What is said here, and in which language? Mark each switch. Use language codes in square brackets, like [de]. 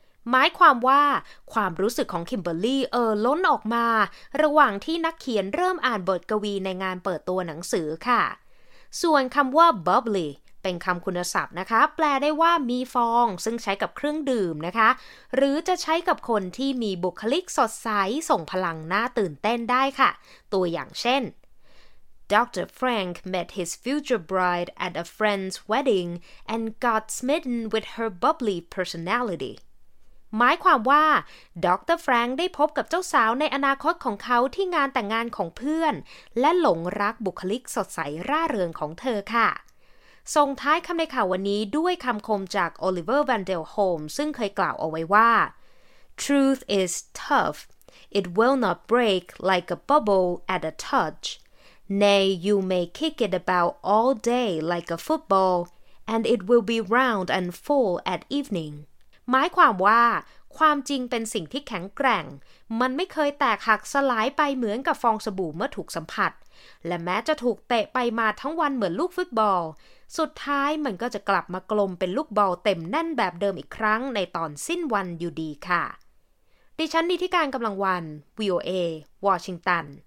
[th] หมายความว่าความรู้สึกของคิมเบอร์ลี่ล้นออกมาระหว่างที่นักเขียนเริ่มอ่านบทกวีในงานเปิดตัวหนังสือค่ะส่วนคำว่า bubbly เป็นคำคุณศัพท์นะคะแปลได้ว่ามีฟองซึ่งใช้กับเครื่องดื่มนะคะหรือจะใช้กับคนที่มีบุคลิกสดใสส่งพลังน่าตื่นเต้นได้ค่ะตัวอย่างเช่น Dr. [en] Frank met his future bride at a friend's wedding and got smitten with her bubbly personality [th] หมายความว่าดร. แฟรงค์ได้พบกับเจ้าสาวในอนาคตของเขาที่งานแต่งงานของเพื่อนและหลงรักบุคลิกสดใสร่าเริงของเธอค่ะส่งท้ายคำในข่าววันนี้ด้วยคำคมจากโอลิเวอร์แวนเดลโฮมซึ่งเคยกล่าวเอาไว้ว่า [en] Truth is tough. It will not break like a bubble at a touch. Nay, you may kick it about all day like a football, and it will be round and full at evening. [th] หมายความว่าความจริงเป็นสิ่งที่แข็งแกร่งมันไม่เคยแตกหักสลายไปเหมือนกับฟองสบู่เมื่อถูกสัมผัสและแม้จะถูกเตะไปมาทั้งวันเหมือนลูกฟุตบอลสุดท้ายมันก็จะกลับมากลมเป็นลูกบอลเต็มแน่นแบบเดิมอีกครั้งในตอนสิ้นวันอยู่ดีค่ะดิฉันนิติการกำลังวัน VOA วอชิงตัน